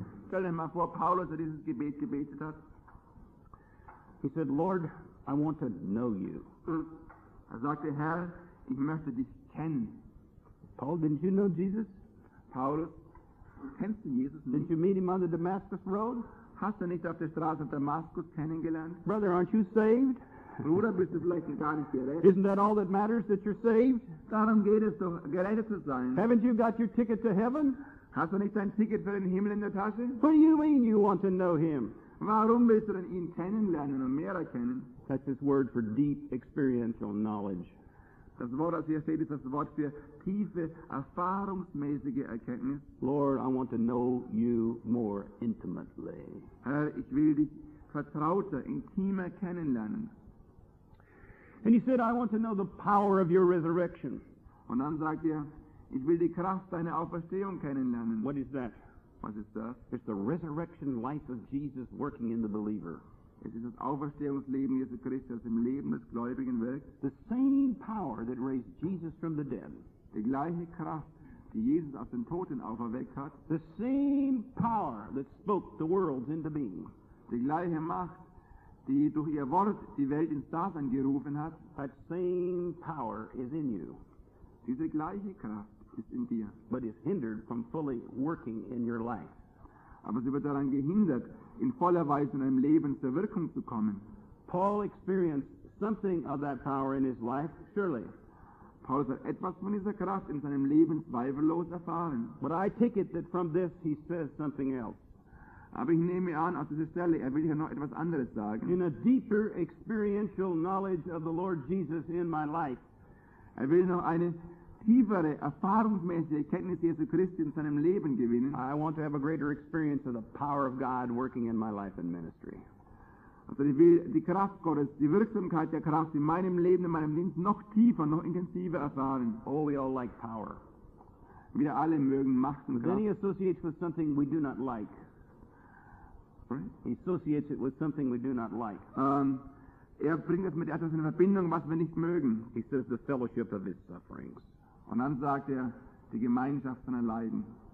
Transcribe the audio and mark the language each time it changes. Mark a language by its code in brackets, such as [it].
[de] Stell dir mal vor, Paulus, der dieses Gebet gebetet hat. [en] He said, Lord, I want to know you. [de] Er sagte, Herr, ich möchte dich kennen. [en] Paul, didn't you know Jesus? [de] Paulus, kennst du Jesus nicht? [en] Didn't you meet him on the Damascus Road? [de] Hast du nicht auf der Straße Damaskus kennengelernt? [en] Brother, aren't you saved? [de] Bruder, bist du vielleicht gar nicht gerettet? [en] Isn't that all that matters, that you're saved? [de] Darum geht es doch, gerettet zu sein. [en] Haven't you got your ticket to heaven? [de] Hast du nicht dein Ticket für den Himmel in der Tasche? [en] What do you mean you want to know him? [de] Warum willst du denn ihn kennenlernen und mehr erkennen? [en] That's his word for deep experiential knowledge. [de] Das Wort, das ihr seht, ist das Wort für tiefe, erfahrungsmäßige Erkenntnis. [en] Lord, I want to know you more intimately. [de] Herr, ich will dich vertrauter, intimer kennenlernen. [en] And he said, I want to know the power of your resurrection. [de] Und dann sagt er, ich will die Kraft deiner Auferstehung kennenlernen. [en] What is that? [de] Was ist das? [en] It's the resurrection life of Jesus working in the believer. [de] Es ist das Auferstehungsleben Jesu Christi, das im Leben des Gläubigen wirkt. [en] The same power that raised Jesus from the dead. [de] Die gleiche Kraft, die Jesus aus den Toten auferweckt hat. [en] The same power that spoke the worlds into being. [de] Die gleiche Macht, die durch ihr Wort die Welt ins Dasein gerufen hat. [en] That same power is in you. [de] Diese gleiche Kraft ist in dir. [en] But is hindered from fully working in your life. [de] Aber sie wird daran gehindert, in voller Weise in einem Leben zur Wirkung zu kommen. [en] Paul experienced something of that power in his life, surely. [de] Paulus hat etwas von dieser Kraft in seinem Leben zweifellos erfahren. [en] But I take it that from this he says something else. [de] Aber ich nehme an, aus dieser Stelle, er will hier noch etwas anderes sagen. [en] In a deeper experiential knowledge of the Lord Jesus in my life. [de] Er will noch eine tiefere, erfahrungsmäßige Erkenntnis Jesu Christi in seinem Leben gewinnen. [en] I want to have a greater experience of the power of God working in my life and ministry. [de] Also ich will die Kraft Gottes, die Wirksamkeit der Kraft in meinem Leben, in meinem Dienst noch tiefer, noch intensiver erfahren. [en] Oh, we all like power. [de] Wir alle mögen Macht und Kraft. [en] Then he associates with something we do not like. Right? He associates it with something we do not like. [de] Er bringt es mit etwas in Verbindung, was wir nicht mögen. [en] He says the fellowship of his sufferings. [de] Und dann sagt er, die Gemeinschaft seiner Leiden.